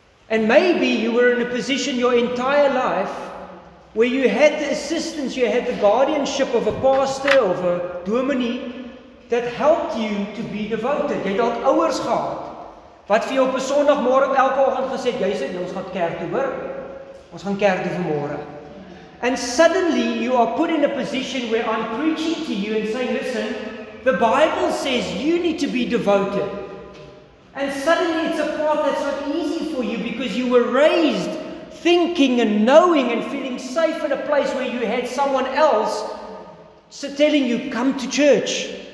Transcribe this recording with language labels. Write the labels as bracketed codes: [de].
[en] And maybe you were in a position your entire life where you had the assistance, you had the guardianship of a pastor, of a dominee, that helped you to be devoted. [af] Jy het ouers gehad. Wat vir jou op 'n Sondagmôre elke oggend gesê het, jy sê ons gaan kerk toe, hoor? Ons gaan kerk toe vanmôre. [en] And suddenly you are put in a position where I'm preaching to you and saying, listen, the Bible says you need to be devoted. And suddenly it's a path that's not easy for you because you were raised thinking and knowing and feeling safe in a place where you had someone else telling you, come to church.